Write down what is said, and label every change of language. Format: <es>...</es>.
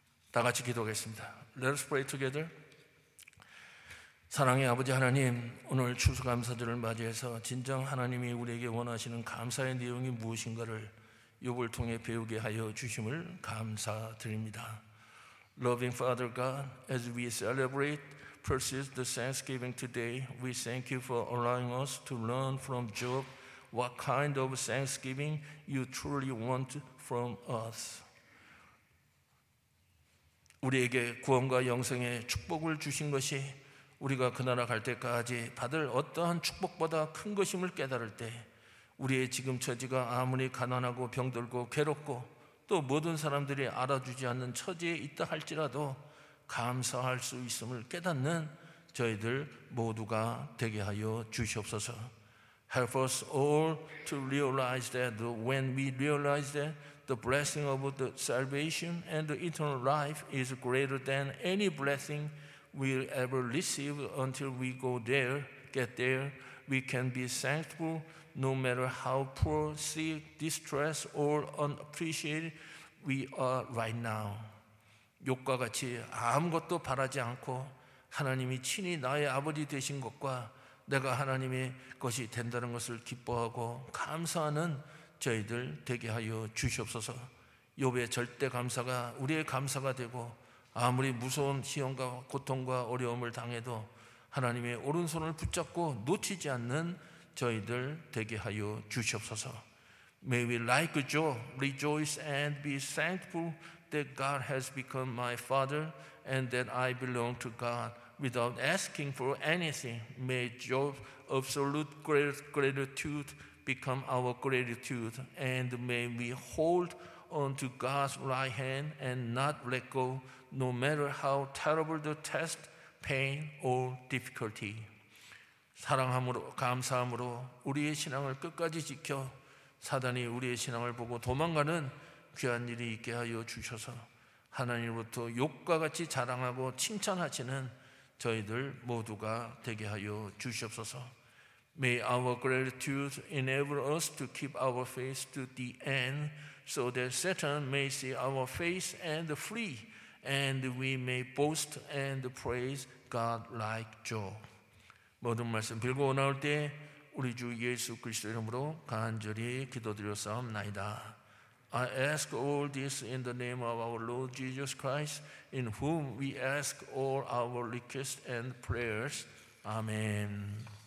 <ko>다 같이 기도하겠습니다.</ko> <en>Let us pray together.</en> <ko>사랑의 아버지 하나님, 오늘 추수감사절을 맞이해서 진정 하나님이 우리에게 원하시는 감사의 내용이 무엇인가를 욥을 통해 배우게 하여 주심을 감사드립니다.</ko> <en>Loving Father God, as we celebrate precious the Thanksgiving today, we thank you for allowing us to learn from Job what kind of Thanksgiving you truly want from us.</en> <ko>우리에게 구원과 영생의 축복을 주신 것이 우리가 그 나라 갈 때까지 받을 어떠한 축복보다 큰 것임을 깨달을 때 우리의 지금 처지가 아무리 가난하고 병들고 괴롭고 또 모든 사람들이 알아주지 않는 처지에 있다 할지라도 감사할 수 있음을 깨닫는 저희들 모두가 되게 하여 주시옵소서.</ko> <en>Help us all to realize that when we realize that the blessing of the salvation and the eternal life is greater than any blessing we'll ever receive until we go there, get there. We can be thankful no matter how poor, sick, distressed, or unappreciated we are right now.</en> <ko>욥과 같이 아무것도 바라지 않고 하나님이 친히 나의 아버지 되신 것과 내가 하나님의 것이 된다는 것을 기뻐하고 감사하는 저희들 되게 하여 주시옵소서. 욥의 절대 감사가 우리의 감사가 되고 아무리 무서운 시험과 고통과 어려움을 당해도 하나님의 오른손을 붙잡고 놓치지 않는 저희들 되게 하여 주시옵소서.</ko> <en>May we like Job rejoice and be thankful that God has become my father and that I belong to God without asking for anything. May Job's absolute gratitude become our gratitude, and may we hold on to God's right hand and not let go, no matter how terrible the test, pain, or difficulty.</en> <ko>사랑함으로, 감사함으로 우리의 신앙을 끝까지 지켜 사단이 우리의 신앙을 보고 도망가는 귀한 일이 있게 하여 주셔서 하나님으로부터 욥과 같이 자랑하고 칭찬하시는 저희들 모두가 되게 하여 주시옵소서.</ko> <en>May our gratitude enable us to keep our face to the end so that Satan may see our face and flee and we may boast and praise God like Job.</en> <ko>모든 말씀 빌고 나올 때 우리 주 예수 그리스도 이름으로 간절히 기도드렸사옵나이다.</ko> <en>I ask all this in the name of our Lord Jesus Christ in whom we ask all our requests and prayers. Amen.</en>